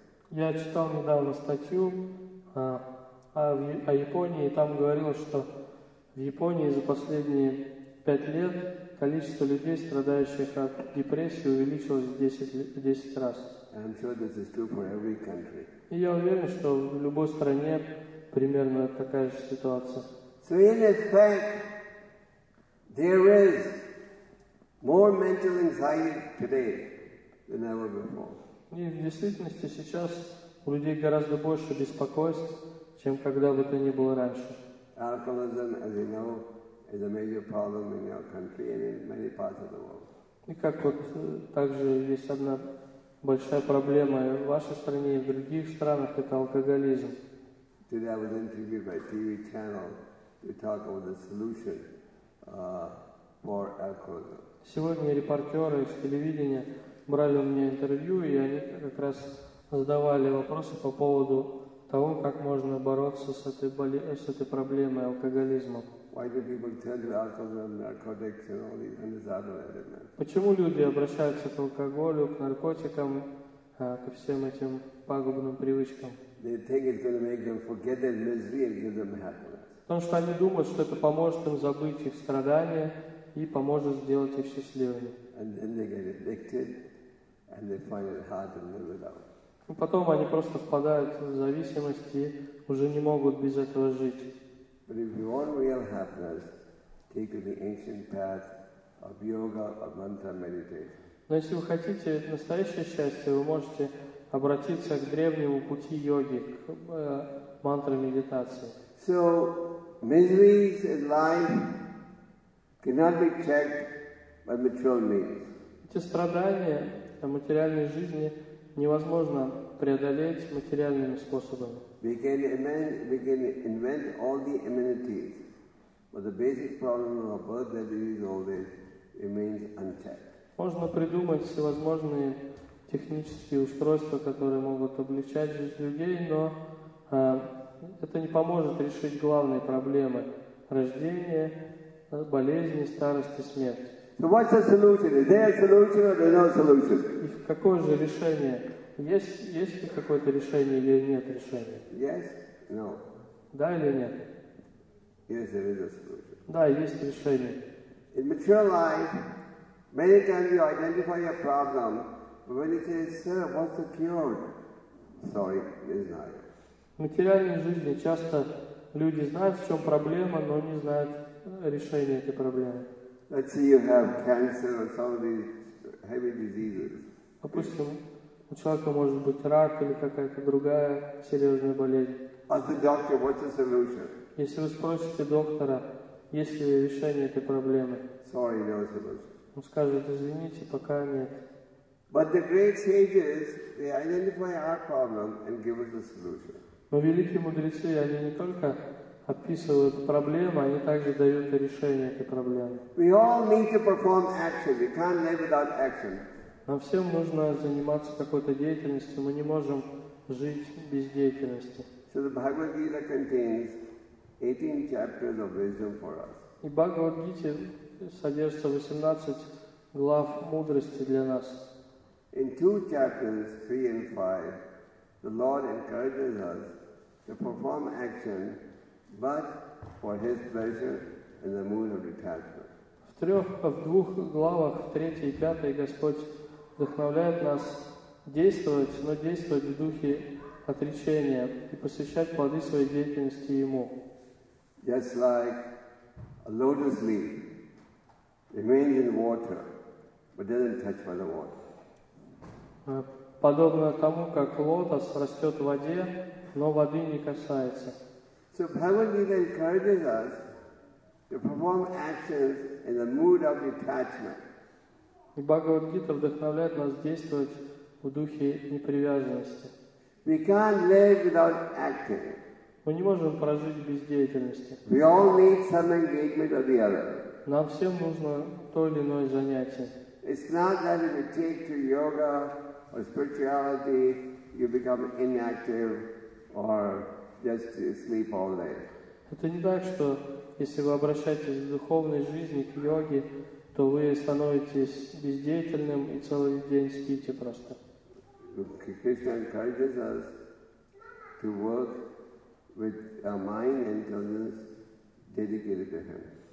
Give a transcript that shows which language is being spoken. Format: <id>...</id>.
<ru>Я читал недавно статью о Японии, и там говорилось, что в Японии за последние 5 лет количество людей, страдающих от депрессии, увеличилось в 10 раз.</ru> <en>And I'm sure this is true for every country.</en> <ru>И я уверен, что в любой стране примерно такая же ситуация.</ru> <en>So in effect, there is more mental anxiety today than ever before.</en> <ru>И в действительности сейчас у людей гораздо больше беспокойств, чем когда бы то ни было раньше.</ru> <en>Alcoholism, as you know, is a major problem in your country and in many parts of the world.</en> <ru>И как вот также есть одна большая проблема и в вашей стране и в других странах – это алкоголизм.</ru> <en>Today I was interviewed by TV channel to talk about the solution for alcoholism.</en> <ru>Сегодня репортеры из телевидения брали у меня интервью, и они как раз задавали вопросы по поводу того, как можно бороться с этой проблемой алкоголизма.</ru> <en>Why do people turn to alcoholism, narcotics, and all these undesirable elements?</en> <ru>Почему люди обращаются к алкоголю, к наркотикам, ко всем этим пагубным привычкам?</ru> <en>They think it's going to make them forget their misery and give them happiness.</en> <ru>Потому что они думают, что это поможет им забыть их страдания и поможет сделать их счастливыми.</ru> <en>And then they get addicted, and they find it hard to live without.</en> <ru>И потом они просто впадают в зависимость и уже не могут без этого жить.</ru> <en>But if you want real happiness, take the ancient path of yoga or mantra meditation.</en> <ru>Но если вы хотите настоящее счастье, вы можете обратиться к древнему пути йоги, к мантра медитации.</ru> <en>So miseries in life cannot be checked by material means.</en> <ru>Эти страдания в материальной жизни невозможно преодолеть материальными способами.</ru> <en>We can invent all the amenities, but the basic problem of birth, death, disease, old age remains unchecked.</en> <ru>Можно придумать всевозможные технические устройства, которые могут облегчать жизнь людей, но это не поможет решить главные проблемы рождения, болезни, старости, смерти.</ru> <en>So what's the solution? Is there a solution or there's no solution?</en> <ru>И какое же решение? Есть ли какое-то решение или нет решения?</ru> <en>Yes, no.</en> <ru>Да или нет?</ru> <en>Yes, there is a solution.</en> <ru>Да, есть решение.</ru> <en>In mature life, many times you identify a problem, but when you say, sir, what's the cure? Sorry, it's not.</en> <ru>В материальной жизни часто люди знают, в чем проблема, но не знают решения этой проблемы.</ru> <en>Let's say you have cancer or some of these heavy diseases.</en> <ru>Допустим, у человека может быть рак или какая-то другая серьезная болезнь.</ru> <en>Ask the doctor, what's the solution?</en> <ru>Если вы спросите доктора, есть ли решение этой проблемы?</ru> <en>Sorry, no solution.</en> <ru>Он скажет, извините, пока нет.</ru> <en>But the great sages, they identify our problem and give us a solution.</en> <ru>Но великие мудрецы, они не только описывают проблему, они также дают решение этой проблемы.</ru> <en>We all need to perform action. We can't live without action.</en> <ru>Нам всем нужно заниматься какой-то деятельностью. Мы не можем жить без деятельности.</ru> <en>So the Bhagavad Gita contains 18 chapters of wisdom for us.</en> <ru>И Бхагавад Гита содержится 18 глав мудрости для нас.</ru> <en>In two chapters, 3 and 5, the Lord encourages us to perform action, but for His pleasure in the mood of detachment.</en> <ru>В двух главах, в третьей и пятой, Господь вдохновляет нас действовать, но действовать в духе отречения и посвящать плоды своей деятельности Ему.</ru> <en>Just like a lotus leaf. Remains in water, but doesn't touch by the water.</en> <ru>Подобно тому, как лотос растет в воде, но воды не касается.</ru> <en>So Bhagavad Gita encourages us to perform actions in the mood of detachment.</en> <ru>И Бхагавад Гита вдохновляет нас действовать в духе непривязанности.</ru> <en>We can't live without acting.</en> <ru>Мы не можем прожить без деятельности.</ru> <en>We all need some engagement or the other.</en> <ru>Нам всем нужно то или иное занятие.</ru> <en>It's not that if you take to yoga or spirituality, you become inactive or just sleep all day.</en> <ru>Это не так, что если вы обращаетесь к духовной жизни, к йоге, то вы становитесь бездеятельным и целый день спите просто.</ru> <en>Krishna encourages us to work with our mind and intelligence dedicated to Him.</en>